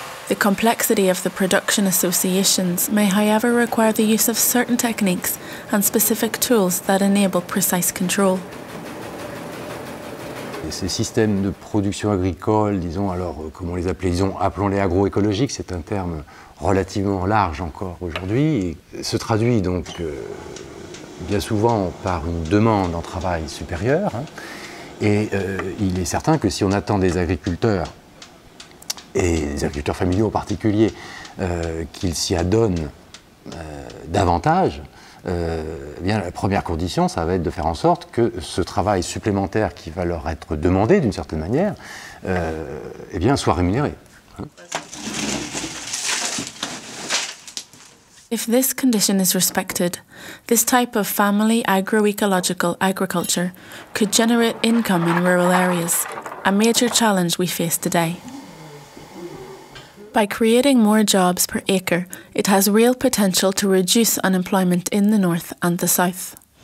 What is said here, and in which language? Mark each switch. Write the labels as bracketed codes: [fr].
[en] The complexity of the production associations may, however, require the use of certain techniques and specific tools that enable precise control. [fr] Ces systèmes de production agricole, disons, alors comment les appeler, disons, appelons-les agroécologiques, c'est un terme relativement large encore aujourd'hui, et se traduit donc bien souvent par une demande en travail supérieure. Hein, et il est certain que si on attend des agriculteurs, et des agriculteurs familiaux en particulier, qu'ils s'y adonnent davantage, eh bien, la première condition, ça va être de faire en sorte que ce travail supplémentaire qui va leur être demandé d'une certaine manière, eh bien, soit rémunéré. [en] If this condition is respected, this type of family agroecological agriculture could generate income in rural areas, a major challenge we face today. By creating more jobs per acre, it has real potential to reduce unemployment in the north and the south.